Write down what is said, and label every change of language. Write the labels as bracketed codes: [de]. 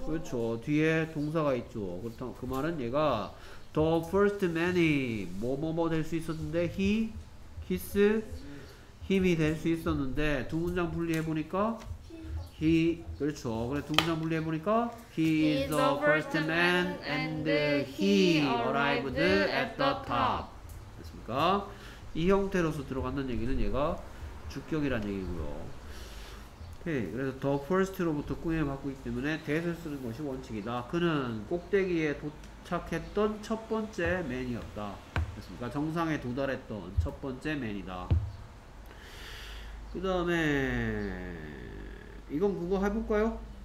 [ko] 그렇죠. 뒤에 동사가 있죠. 그렇다면 그 말은 얘가 the first man이 뭐뭐뭐 될 수 있었는데 his 힘이 될 수 있었는데 두 문장 분리해보니까 he 그렇죠. 그래 두 문장 분리해보니까 [en] he is the first man and he arrived at the top. [ko] 됐습니까? 이 형태로서 들어간다는 얘기는 얘가 주격이란 얘기고요. 오케이. 그래서 더 퍼스트로부터 꿈에 바꾸기 때문에 대세 쓰는 것이 원칙이다. 그는 꼭대기에 도착했던 첫 번째 맨이었다. 됐습니까? 정상에 도달했던 첫 번째 맨이다. 그 다음에 이건 그거 해볼까요?